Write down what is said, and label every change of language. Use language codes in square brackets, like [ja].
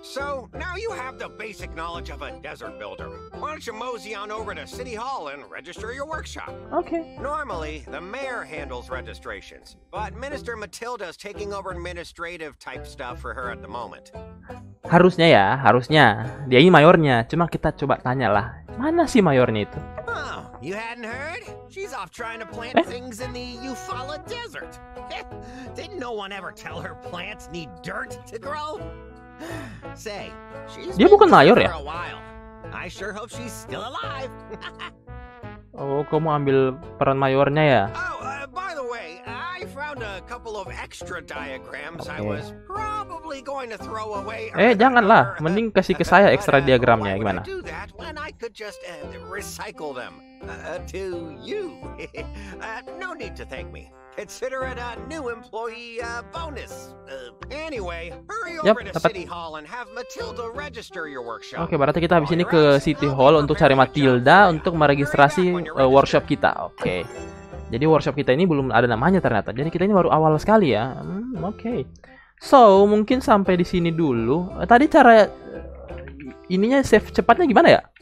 [en] So, now you have the basic knowledge of a desert builder. Why don't you mosey on over to City Hall and register your workshop? Okay. Normally, the mayor handles registrations, but Minister Matilda's taking over administrative type stuff for her at the moment. [id] Harusnya ya, harusnya. Dia ini mayornya, cuma kita coba tanyalah. Mana sih mayornya itu? [en] Oh, you hadn't heard? She's off trying to plant things in the Eufaula Desert. Didn't no one ever tell her plants need dirt to grow? Say, she's [id] dia bukan mayor ya? [en] I sure hope she's still alive. [id] Oh, kamu ambil peran mayornya ya? [en] By the way, I found a couple of extra diagrams. Okay. I was probably going to throw away. [id] Janganlah, mending kasih ke saya extra diagramnya gimana? [en] Why would I do that when I could just recycle them to you. No need to thank me. consider it a new employee bonus. Anyway, hurry over to dapat. City Hall and have Matilda register your workshop. [id] Oke, berarti kita habis ini ke City Hall untuk cari Matilda untuk meregistrasi workshop kita. Oke. Jadi workshop kita ini belum ada namanya ternyata. Jadi kita ini baru awal sekali ya. Oke. So, mungkin sampai di sini dulu. Tadi cara ininya save cepatnya gimana ya?